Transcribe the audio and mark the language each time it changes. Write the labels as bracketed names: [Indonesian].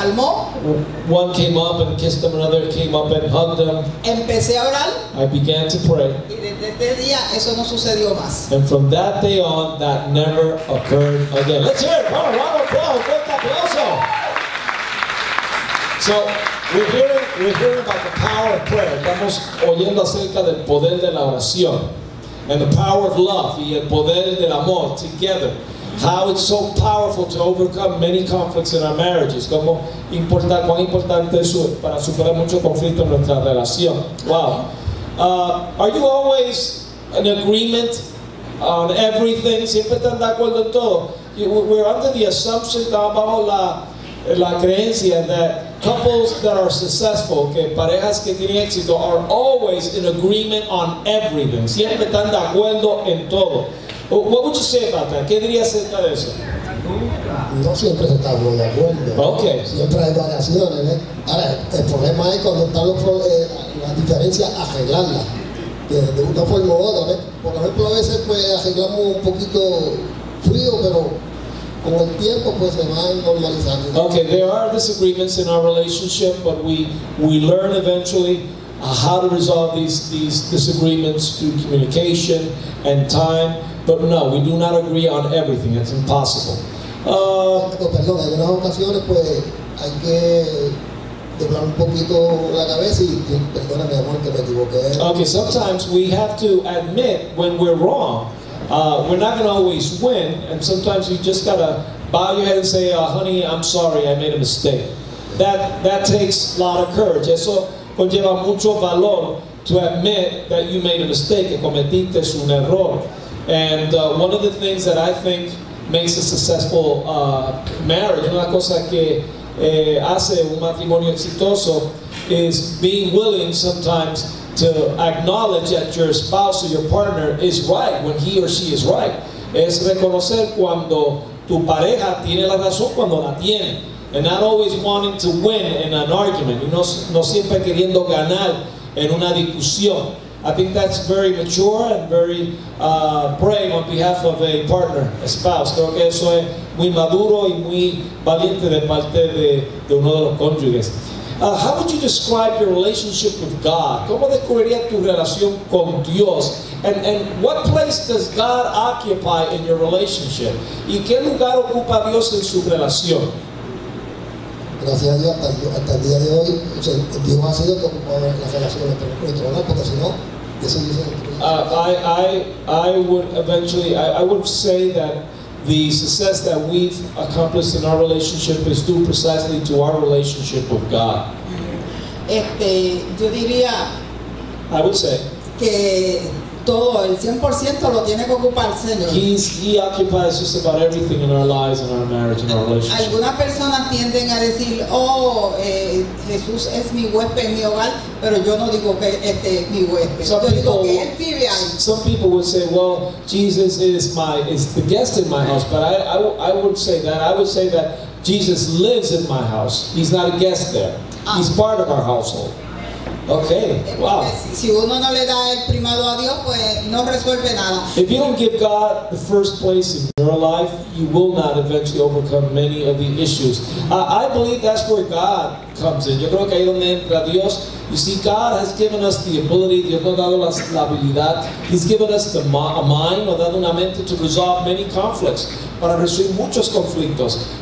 [English] One came up and kissed them, another came up and hugged them. [Spanish] Empecé a orar. [English] I began to pray. [Spanish] Y desde ese día, eso no sucedió más. [English] And from that day on, that never occurred again. Let's hear it. Come on, round of applause. [Spanish] Aplauso. [English] So, we're hearing about the power of prayer. [Spanish] Estamos oyendo acerca del poder de la oración. [English] And the power of love, [Spanish] y el poder del amor, [English] together. How it's so powerful to overcome many conflicts in our marriages. [Spanish] Como importa, cuán importante eso es para superar mucho conflicto en nuestra relación. [English] Wow. Are you always in agreement on everything? [Spanish] Siempre están de acuerdo en todo. [English] We're under the assumption, [Spanish] bajo la creencia, [English] that couples that are successful, [Spanish] que parejas que tienen éxito, [English] are always in agreement on everything. [Spanish] Siempre están de acuerdo en todo. [English] What would you say about that? [Spanish] ¿Qué dirías acerca de eso? No siempre se está de acuerdo. [English] Okay. [Spanish] Siempre hay variaciones, ¿eh? Ahora, el problema es cuando están las diferencias, arreglarlas. De una forma u otra, ¿eh? Por ejemplo, a veces pues arreglamos un poquito frío, pero con el tiempo, pues, se va normalizando. [English] Okay, there are disagreements in our relationship, but we learn eventually how to resolve these disagreements through communication and time. But no, we do not agree on everything. It's impossible. [Spanish] Perdón, en algunas ocasiones pues hay que doblar un poquito la cabeza y perdóname, amor, que me equivoqué. [English] Okay, sometimes we have to admit when we're wrong. We're not going to always win, and sometimes you just got to bow your head and say, honey, I'm sorry, I made a mistake. That takes a lot of courage. [Spanish] Eso conlleva mucho valor [English] to admit that you made a mistake, [Spanish] que cometiste un error. [English] And one of the things that I think makes a successful marriage, [Spanish] una cosa que hace un matrimonio exitoso, [English] is being willing sometimes to acknowledge that your spouse or your partner is right when he or she is right. [Spanish] Es reconocer cuando tu pareja tiene la razón cuando la tiene. [English] And not always wanting to win in an argument. [Spanish] No siempre queriendo ganar en una discusión. [English] I think that's very mature and very brave on behalf of a partner, a spouse. [Spanish] Creo que eso es muy maduro y muy valiente de parte de uno de los cónyuges. [English] How would you describe your relationship with God? [Spanish] ¿Cómo describirías tu relación con Dios? [English] And what place does God occupy in your relationship? [Spanish] ¿Y qué lugar ocupa Dios en su relación? Gracias a Dios, hasta el día de hoy, o sea, Dios ha sido que ocupa la relación entre nosotros, ¿no? Porque si no, eso dice el truco. [English] I would say that the success that we've accomplished in our relationship is due precisely to our relationship with God. [Spanish] Yo diría, [English] I would say [Spanish] que todo, el 100% lo tiene que ocupar el Señor. [English] He occupies just about everything in our lives, in our marriage, in our relationship. [Spanish] Algunas personas tienden a decir, oh, Jesús es mi huésped, mi hogar, pero yo no digo que este es mi huésped. Yo digo que él vive ahí. [English] Some people would say, well, Jesus is the guest in my house, but I would say that. I would say that Jesus lives in my house. He's not a guest there. He's part of our household. Okay. Wow. [Spanish] Si uno no le da el primado a Dios, pues no resuelve nada. [English] If you don't give God the first place in your life, you will not eventually overcome many of the issues. I believe that's where God comes in. [Spanish] Yo creo que ahí donde entra Dios. [English] You see, God has given us the ability, [Spanish] Dios nos ha dado la habilidad. [English] He's given us a mind, [Spanish] nos ha dado una mente [English] to resolve many conflicts, [Spanish] para resolver muchos conflictos.